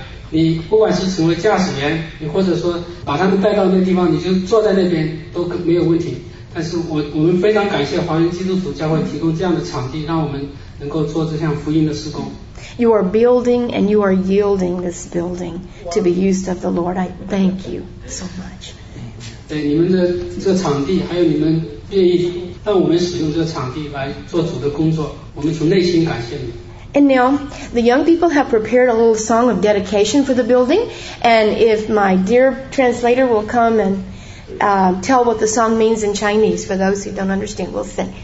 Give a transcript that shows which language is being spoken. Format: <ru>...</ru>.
<zh>你不管是成为驾驶员，你或者说把他们带到那地方，你就坐在那边都没有问题。但是我们非常感谢华人基督徒教会提供这样的场地，让我们能够做这项福音的施工。</zh> <en>You are building and you are yielding this building to be used of the Lord. I thank you so much.</en> <zh>对你们的这场地，还有你们愿意让我们使用这场地来做主的工作，我们从内心感谢你。</zh> <en>And now, the young people have prepared a little song of dedication for the building. And if my dear translator will come and tell what the song means in Chinese for those who don't understand, we'll sing.</en>